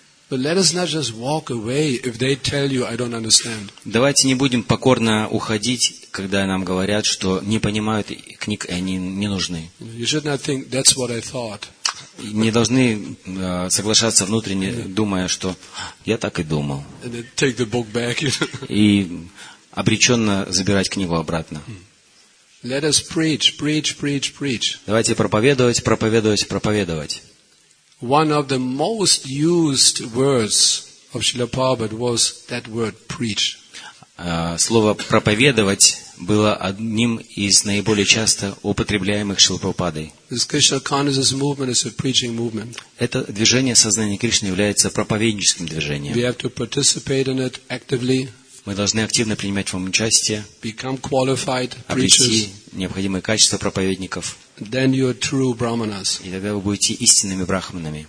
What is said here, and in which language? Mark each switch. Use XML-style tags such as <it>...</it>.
<en>But let us not just walk away if they tell you I don't understand.</en> <ru>Давайте не будем покорно уходить, когда нам говорят, что не понимают книг, и они не нужны.</ru> <en>You should not think that's what I thought.</en> <ru>Не должны соглашаться внутренне, думая, что я так и думал.</ru> <en>And then take the book back.</en> <ru>И обреченно забирать книгу обратно.</ru> <en>Let us preach.</en> <ru>Давайте проповедовать.</ru> <en>One of the most used words of Srila Prabhupada was that word preach.</en> <ru>Слово проповедовать было одним из наиболее часто употребляемых Шрилой Прабхупадой.</ru> <en>This Krishna consciousness movement is a preaching movement.</en> <ru>Это движение сознания Кришны является проповедническим движением.</ru> <en>We have to participate in it actively.</en> <ru>Мы должны активно принимать в нем участие.</ru> <en>Become qualified preachers.</en> <ru>Обрести необходимые качества проповедников.</ru> <en>Then you are true brahmanas.</en> <ru>И тогда вы будете истинными брахманами.</ru>